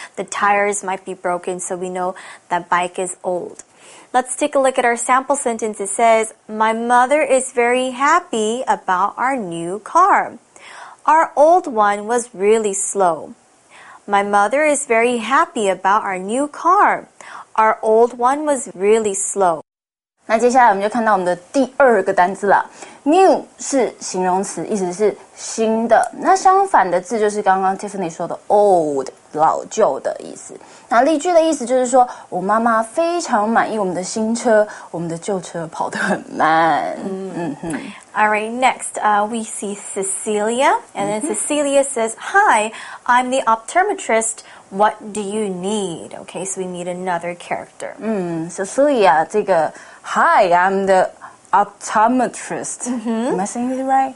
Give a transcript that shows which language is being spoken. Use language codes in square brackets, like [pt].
[en] The tires might be broken, so we know that bike is old. Let's take a look at our sample sentence. It says, my mother is very happy about our new car. Our old one was really slow. My mother is very happy about our new car. Our old one was really slow. [zh] 那接下来我们就看到我们的第二个单字了。New 是形容词，意思是新的。那相反的字就是刚刚 Tiffany 说的 old， 老旧的意思。那例句的意思就是说，我妈妈非常满意我们的新车，我们的旧车跑得很慢。 [en] All right, next, we see Cecilia. And then Cecilia says, Hi, I'm the optometrist. What do you need? Okay, so we need another character. Cecilia, [zh] 这个 [en] Hi, I'm the optometrist. Am I saying it right?